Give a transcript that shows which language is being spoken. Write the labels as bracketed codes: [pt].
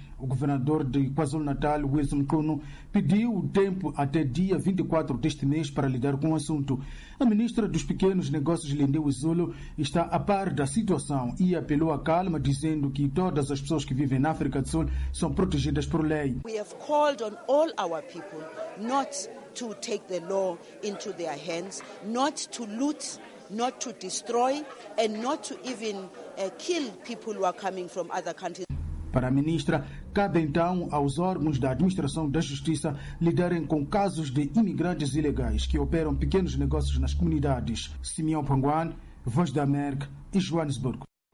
[pt] O governador de KwaZulu-Natal, Wilson Kuno, pediu o tempo até dia 24 deste mês para lidar com o assunto. A ministra dos Pequenos Negócios, Lindiwe Zulu, está a par da situação e apelou à calma, dizendo que todas as pessoas que vivem na África do Sul são protegidas por lei. [en] We have called on all our people not to take the law into their hands, not to loot, not to destroy, and not to even kill people who are coming from other countries. [pt] Para a ministra, cabe então aos órgãos da administração da justiça lidarem com casos de imigrantes ilegais que operam pequenos negócios nas comunidades. Simeão Panguan, Voz da América, em Joanesburgo.